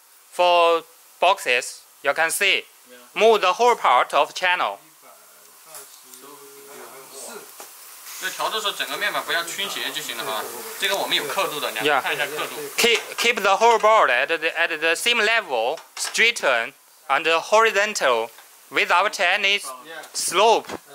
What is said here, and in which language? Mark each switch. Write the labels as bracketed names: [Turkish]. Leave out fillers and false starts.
[English] for boxes, you can see, move the whole part of channel. [Chinese] 调的时候整个面板不要倾斜就行了哈，这个我们有刻度的，你看一下刻度。 [English] Keep the whole board at the same level, straighten and horizontal, without any slope.